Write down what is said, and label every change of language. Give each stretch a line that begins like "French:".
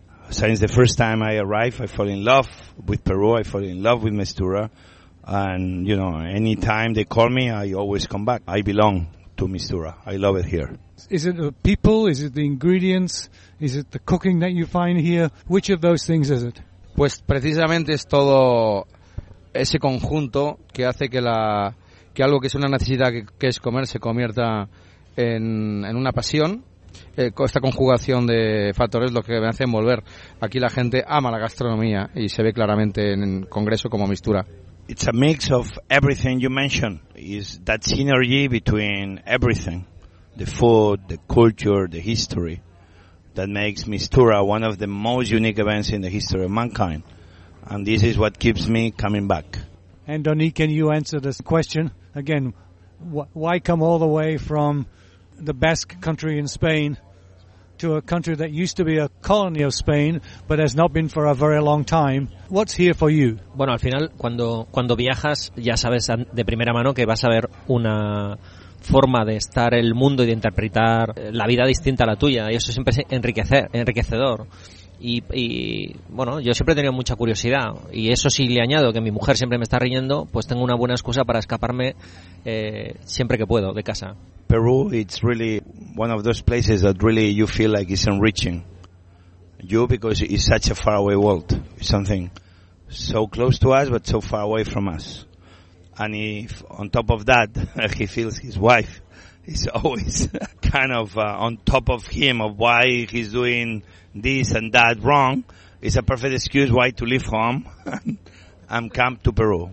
English: Since the first time I arrived, I fell in love with Peru, I fell in love with Mistura. And, you know, any time they call me, I always come back. I belong to Mistura. I love it here. Is it the people? Is it the ingredients? Is it the cooking that you find here? Which of those things is it?
Spanish: Pues precisamente es todo ese conjunto que hace que algo que es una necesidad que es comer se convierta en una pasión. Esta conjugación de factores lo que me hace envolver. Aquí la gente ama la gastronomía y se ve claramente en congreso como Mistura.
English: It's a mix of everything you mentioned. Is that synergy between everything, the food, the culture, the history, that makes Mistura one of the most unique events in the history of mankind. And this is what keeps me coming back. Antoni, can you answer this question again? Why come all the way from the Basque country in Spain to a country that used to be a colony of Spain but has not been for a very long time? What's here for you?
Spanish: Bueno, al final cuando viajas ya sabes de primera mano que vas a ver una forma de estar el mundo y de interpretar la vida distinta a la tuya, y eso siempre es enriquecedor. Y bueno, yo siempre he tenido mucha curiosidad, y eso sí le añado que mi mujer siempre me está riñendo, pues tengo una buena excusa para escaparme siempre que puedo de casa.
English: Peru, it's really one of those places that really you feel like it's enriching you, because it's such a faraway world. It's something so close to us but so far away from us. And if on top of that, he feels his wife is always kind of on top of him, of why he's doing this and that wrong, it's a perfect excuse why to leave home and come to Peru.